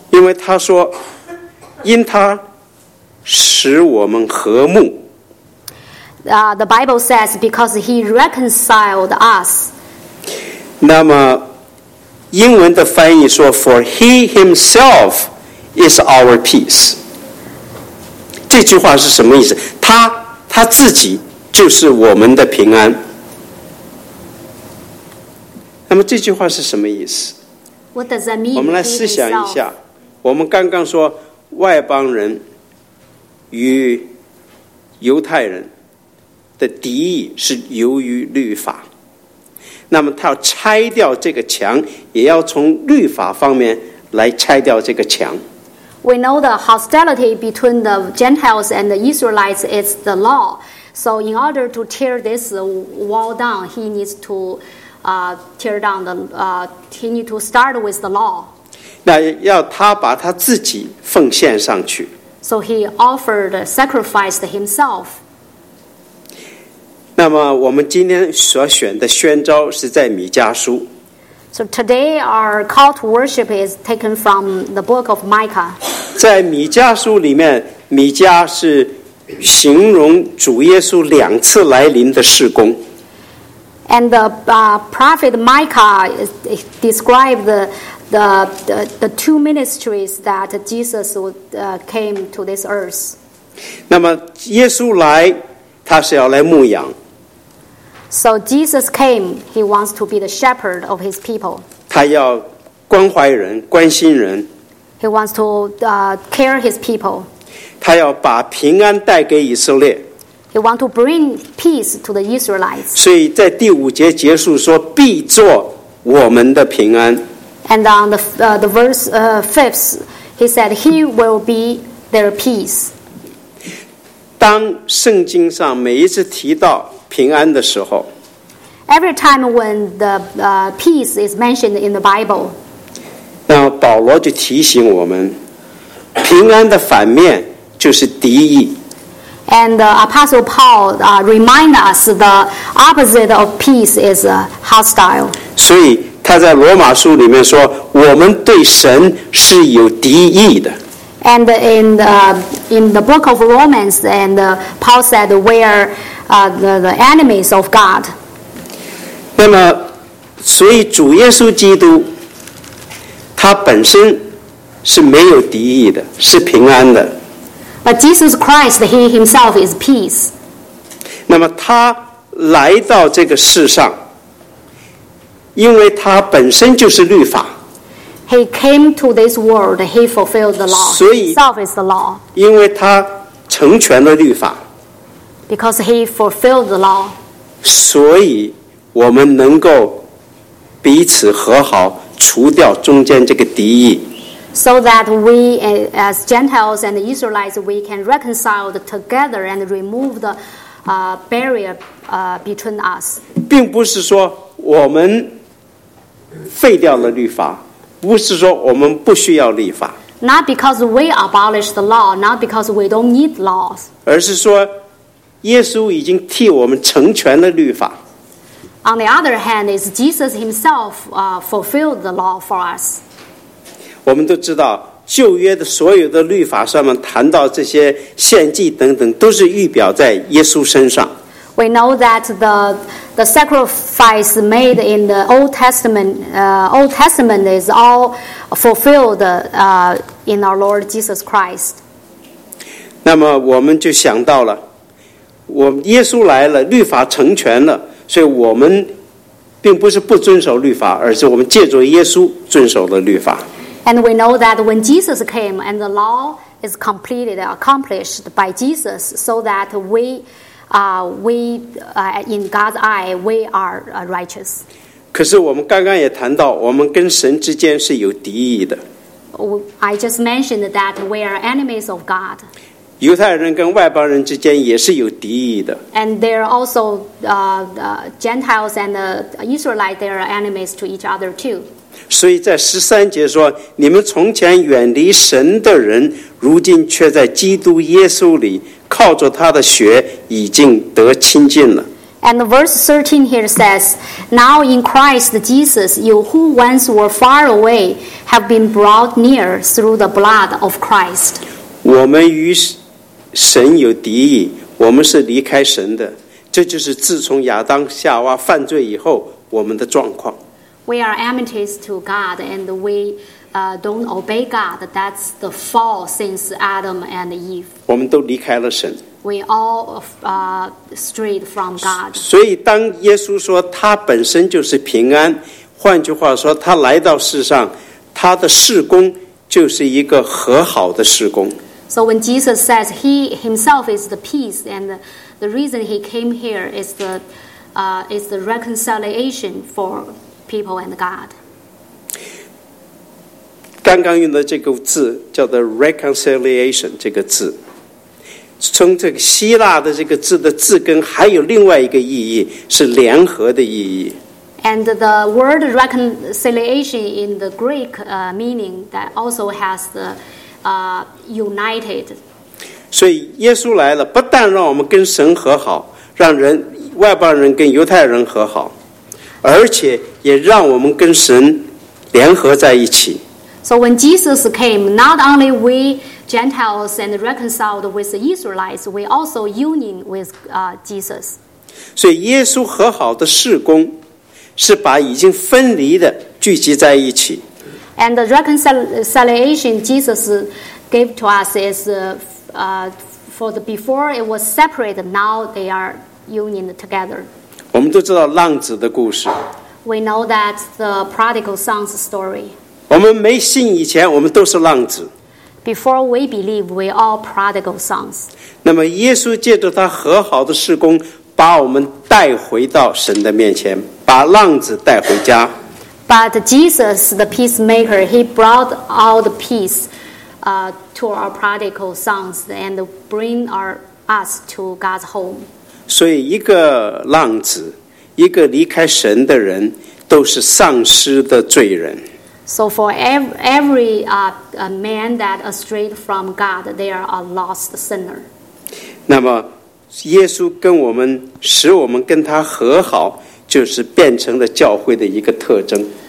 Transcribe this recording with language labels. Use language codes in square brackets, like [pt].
[zh] 因为他说，因他使我们和睦。 [en] The Bible says because he reconciled us. [zh] 那么。英文的翻译说 [en] For he himself is our peace. [zh] 这句话是什么意思？他自己就是我们的平安。那么这句话是什么意思？ [en] What does that mean? [zh] 我们来思想一下。我们刚刚说外邦人与犹太人的敌意是由于律法。那么他要拆掉这个墙，也要从律法方面来拆掉这个墙。 [en] We know the hostility between the Gentiles and the Israelites is the law. So in order to tear this wall down, he needs to tear down the he need to start with the law. [zh] 那要他把他自己奉献上去。 [en] So he offered sacrificed himself. [zh] 那么我们今天所选的宣召是在弥迦书。 [en] So today our call to worship is taken from the book of Micah. [zh] 在弥迦书里面，弥迦是形容主耶稣两次来临的事工。 [en] And the prophet Micah described the two ministries that Jesus came to this earth. [zh] 那么耶稣来，他是要来牧养。 [en] So Jesus came, he wants to be the shepherd of his people. [zh] 他要关怀人，关心人。 [en] He wants to care his people. [zh] 他要把平安带给以色列。 [en] He wants to bring peace to the Israelites. [zh] 所以在第五节结束说，必做我们的平安。 [en] And on the verse fifth, he said, "He will be their peace." [zh] 当圣经上每一次提到平安的时候 [en] ，Every time when the peace is mentioned in the Bible, [zh] 那保罗就提醒我们，平安的反面就是敌意。 [en] And the Apostle Paul remind us the opposite of peace is hostile. [zh] 所以他在罗马书里面说，我们对神是有敌意的。 [en] And in the book of Romans, and Paul said, we are the enemies of God. [zh] 那么，所以主耶稣基督，他本身是没有敌意的，是平安的。 [en] But Jesus Christ, he himself is peace. [zh] 那么他来到这个世上，因为他本身就是律法。 [en] He came to this world, he fulfilled the law. So, himself is the law. [zh] 因为他成全了律法。 [en] Because he fulfilled the law. [zh] 所以我们能够彼此和好，除掉中间这个敌意。 [en] So that we, as Gentiles and Israelites, we can reconcile together and remove the barrier between us. [zh] 并不是说我们废掉了律法，不是说我们不需要律法。 [en] Not because we abolish the law, not because we don't need laws. [zh] 而是说，耶稣已经替我们成全了律法。 [en] On the other hand, is Jesus himself fulfilled the law for us. [zh] 我们都知道，旧约的所有的律法上面谈到这些献祭等等，都是预表在耶稣身上。 [en] We know that the sacrifice made in the Old Testament is all fulfilled in our Lord Jesus Christ. [zh] 那么我们就想到了，我耶稣来了，律法成全了，所以我们并不是不遵守律法，而是我们借着耶稣遵守了律法。 [en] And we know that when Jesus came and the law is completed, accomplished by Jesus, so that we in God's eye, we are righteous. [zh] 可是我们刚刚也谈到，我们跟神之间是有敌意的。 [en] I just mentioned that we are enemies of God. [zh] 犹太人跟外邦人之间也是有敌意的。 [en] And there are also Gentiles and Israelites, they are enemies to each other too. [zh] 所以在十三节说，你们从前远离神的人，如今却在基督耶稣里靠着他的血已经得亲近了。 [en] And verse 13 here says, Now in Christ Jesus, you who once were far away have been brought near through the blood of Christ. [zh] 我们与神有敌意，我们是离开神的，这就是自从亚当夏娃犯罪以后我们的状况。 [en] We are enemies to God and we don't obey God. That's the fall since Adam and Eve. [zh] 我们都离开了神。 [en] We all strayed from God. [zh] 所以当耶稣说他本身就是平安，换句话说他来到世上，他的事工就是一个和好的事工。 [en] So when Jesus says he himself is the peace and the reason he came here is the reconciliation for people and God. [zh] 刚刚用的这个字叫做 reconciliation， 这个字从这个希腊的这个字的字根还有另外一个意义，是联合的意义。 [en] And the word reconciliation in the Greek meaning that also has the united. [zh] 所以耶稣来了，不但让我们跟神和好，让人外邦人跟犹太人和好，而且也让我们跟神联合在一起。 [en] So when Jesus came, not only we Gentiles and reconciled with the Israelites, we also union with Jesus. [zh] 所以耶稣和好的事工是把已经分离的聚集在一起。 [en] And the reconciliation Jesus gave to us is for the before it was separate, now they are unioned together. [zh] 我们都知道浪子的故事。 [en] We know that the prodigal son's story. [zh] 我们没信以前我们都是浪子。 [en] Before we believe, we all prodigal sons. [zh] 那么耶稣借着他和好的事工把我们带回到神的面前，把浪子带回家。 [en] But Jesus, the peacemaker, he brought all the peace to our prodigal sons and bring us to God's home. [zh] 所以一个浪子，一个离开神的人，都是丧失的罪人。 [en] So for every man that strayed from God, they are a lost sinner. [zh] 那么耶稣跟我们，使我们跟他和好，就是变成了教会的一个特征。